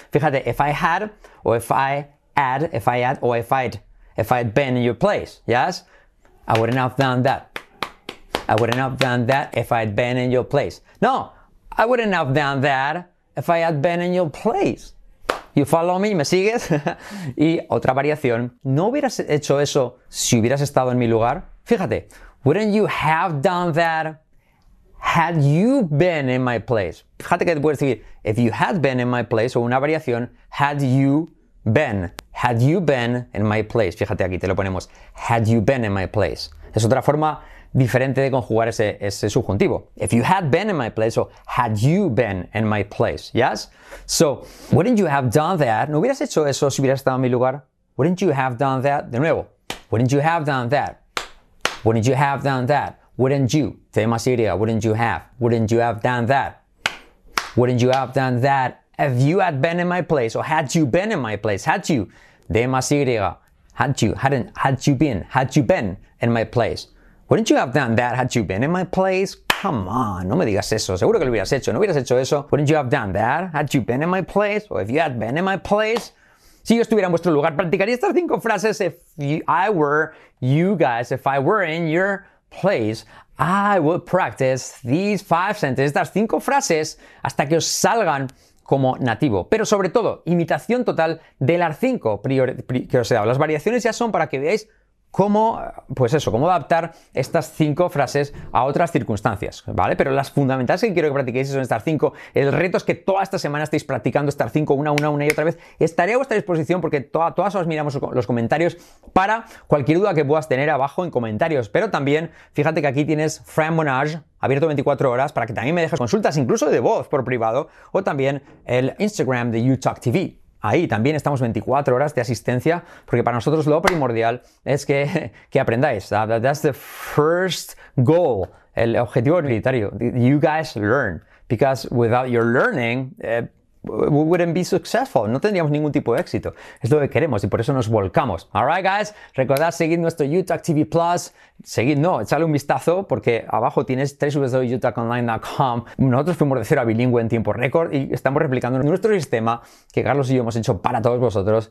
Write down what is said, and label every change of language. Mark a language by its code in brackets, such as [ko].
[en] Fíjate, if I had o if I had, if I had o if I'd. If I had been in your place, yes? I wouldn't have done that. I wouldn't have done that if I had been in your place. No, I wouldn't have done that if I had been in your place. You follow me? [es] ¿Me sigues? Y otra variación. ¿No hubieras hecho eso si hubieras estado en mi lugar? Fíjate. [en] Wouldn't you have done that had you been in my place? [es] Fíjate que te puedes decir, [en] if you had been in my place, [es] o una variación, [en] had you been. Had you been in my place. [es] Fíjate aquí, te lo ponemos. [en] Had you been in my place. [es] Es otra forma diferente de conjugar ese subjuntivo. [en] If you had been in my place, o had you been in my place. Yes? So, wouldn't you have done that? [es] ¿No hubieras hecho eso si hubieras estado en mi lugar? [en] Wouldn't you have done that? [es] De nuevo. [en] Wouldn't you have done that? Wouldn't you have done that? Wouldn't you? [es] Te más iría. [en] Wouldn't you have? Wouldn't you have done that? Wouldn't you have done that? If you had been in my place, or had you been in my place, had you, de más y, had you, hadn't, had you been in my place, wouldn't you have done that, had you been in my place? [es] Come on, no me digas eso, seguro que lo hubieras hecho, no hubieras hecho eso. [en] Wouldn't you have done that, had you been in my place, or if you had been in my place? [es] Si yo estuviera en vuestro lugar, practicaría estas cinco frases. [en] If you, I were you guys, if I were in your place, I would practice these five sentences, [es] estas cinco frases, hasta que os salgan como nativo, pero sobre todo, imitación total de las cinco que os he dado. Las variaciones ya son para que veáis cómo, pues eso, cómo adaptar estas cinco frases a otras circunstancias, ¿vale? Pero las fundamentales que quiero que practiquéis son estas cinco. El reto es que toda esta semana estéis practicando estas cinco una y otra vez. Estaré a vuestra disposición porque todas os miramos los comentarios para cualquier duda que puedas tener abajo en comentarios. Pero también, fíjate que aquí tienes Fran Monage, abierto 24 horas, para que también me dejes consultas, incluso de voz por privado, o también el Instagram de YouTalkTV. Ahí también estamos 24 horas de asistencia, porque para nosotros lo primordial es que aprendáis. [en] That's the first goal, [es] el objetivo prioritario. [en] You guys learn, because without your learning, we wouldn't be successful. [es] No tendríamos ningún tipo de éxito. Es lo que queremos y por eso nos volcamos. [en] All right, guys. [es] Recordad seguir nuestro UTalkTV Plus. Echarle un vistazo porque abajo tienes www.utalkonline.com. Nosotros fuimos de cero a bilingüe en tiempo récord y estamos replicando nuestro sistema que Carlos y yo hemos hecho para todos vosotros.